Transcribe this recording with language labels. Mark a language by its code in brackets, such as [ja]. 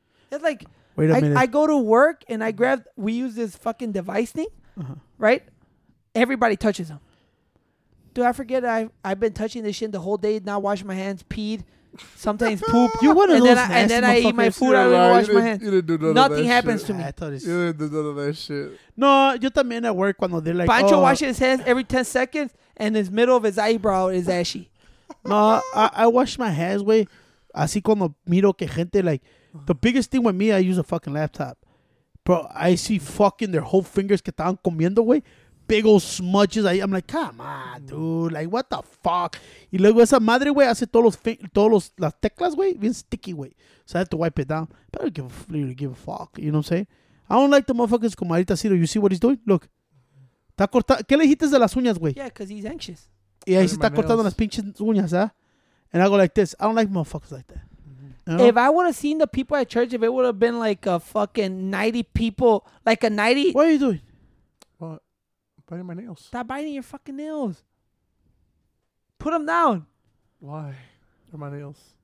[en] It's like, I go to work and I grab, we use this fucking device thing, right? Everybody touches them. Dude, I forget I've been touching this shit the whole day, not washing my hands, peed, sometimes poop. You want to lose nasty and then I eat my food, I don't wash my hands. You didn't do none nothing of that happens shit. To me. I thought you didn't do none of that shit. [es] No, yo también [en] at work [es] cuando [en] they're like, Pancho oh. washes his hands every 10 seconds and his middle of his eyebrow is ashy. No, I wash my hands, güey. [es] Así cuando miro que gente, [en] like, the biggest thing with me, I use a fucking laptop. Bro, I see fucking their whole fingers [es] que estaban comiendo, [en] güey. Big old smudges. I'm like, come on, dude. Like, what the fuck? [es] Y luego esa madre, güey, hace todos los las teclas, güey, bien sticky, güey. [en] So I have to wipe it down. But I don't give a fuck. You know what I'm saying? I don't like the motherfuckers [es] como ahorita, [en] Ciro. You see what he's doing? Look. [es] Está cortando. ¿Qué le dijiste de las uñas, güey? [en] Yeah, because he's anxious. [es] Y ahí se está cortando las pinches uñas, ¿ah? [en] And I go like this. I don't like motherfuckers like that. You know? If I would have seen the people at church, if it would have been like a fucking 90 people, like a 90. What are you doing? Biting my nails. Stop biting your fucking nails. Put them down. Why? They're my nails.